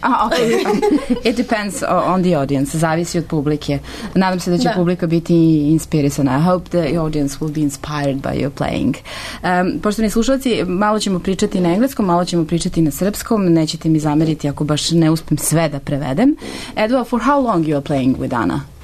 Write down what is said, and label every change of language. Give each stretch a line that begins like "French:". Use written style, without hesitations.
English: Okay. It depends on the audience.
Serbian: Zavisi od publike. Nadam se da će publika biti inspirisana.
English: I hope the audience will be inspired by your playing.
Serbian: Poštovani slušalci, malo ćemo pričati na engleskom, malo ćemo pričati na srpskom. Nećete mi zameriti ako baš ne uspem sve da prevedem.
English: Edua, for how long you are playing with Anna?